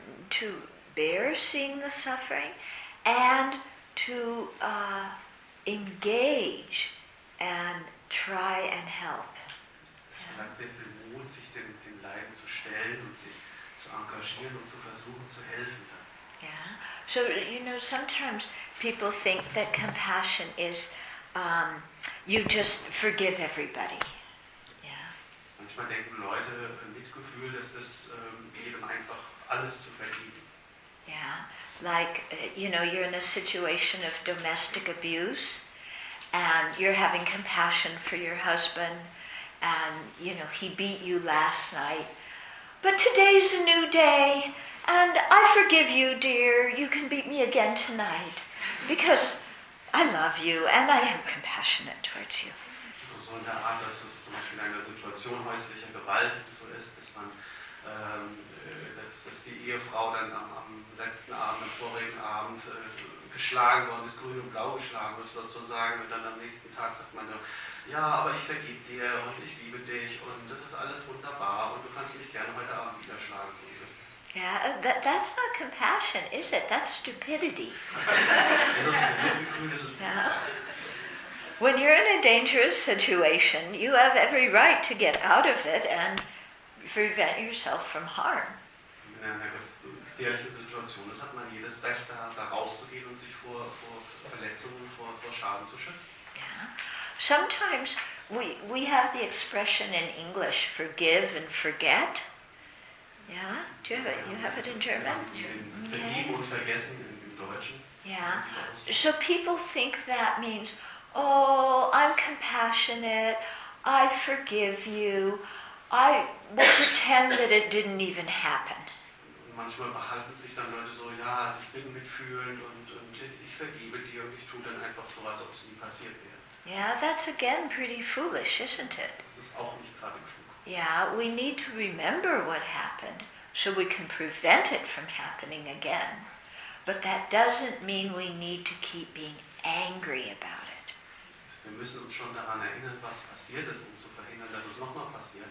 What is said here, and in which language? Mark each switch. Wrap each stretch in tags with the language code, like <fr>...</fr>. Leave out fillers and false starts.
<en>To bear seeing the suffering and to engage and try and help.</en> <de>Es verlangt sehr viel Mut, sich dem Leiden zu stellen und sich zu engagieren und zu versuchen zu helfen.</de> <en>Yeah. So, you know, sometimes people think that compassion is you just forgive everybody. Yeah.</en> <de>Manchmal denken Leute Mitgefühl, das ist eben einfach alles zu vergeben.</de> <en>Yeah, like, you know, you're in a situation of domestic abuse and you're having compassion for your husband and, you know, he beat you last night. But today's a new day and I forgive you, dear. You can beat me again tonight because I love you and I am compassionate towards you.</en> <de>So, so in der Art, dass es zum Beispiel in einer Situation häuslicher Gewalt so ist, dass man dass die Ehefrau dann am letzten Abend, am vorigen Abend geschlagen worden ist, grün und blau geschlagen ist sozusagen, und dann am nächsten Tag sagt man dann, ja, aber ich vergib dir und ich liebe dich und das ist alles wunderbar und du kannst mich gerne heute Abend wieder schlagen.</de> <en>Yeah, that's not compassion, is it? That's stupidity. Yeah. When you're in a dangerous situation, you have every right to get out of it and prevent yourself from harm.</en> <de>In einer gefährlichen Situation, das hat man jedes Recht, da rauszugehen und sich vor Verletzungen, vor Schaden zu schützen.</de> <en>Yeah. Sometimes we have the expression in English, forgive and forget. Yeah, do you have it? You have it in German? Okay. Yeah. So people think that means, oh, I'm compassionate, I forgive you, I will pretend that it didn't even happen.</en> <de>Manchmal behalten sich dann Leute so, ja, ich bin mitfühlend und ich vergebe dir und ich tue dann einfach so, als ob es nie passiert wäre.</de> <en>Yeah, that's again pretty foolish, isn't it?</en> <de>Das ist auch nicht gerade klug.</de> <en>Yeah, we need to remember what happened so we can prevent it from happening again. But that doesn't mean we need to keep being angry about it.</en> <de>Wir müssen uns schon daran erinnern, was passiert ist, um zu verhindern, dass es nochmal passiert.</de>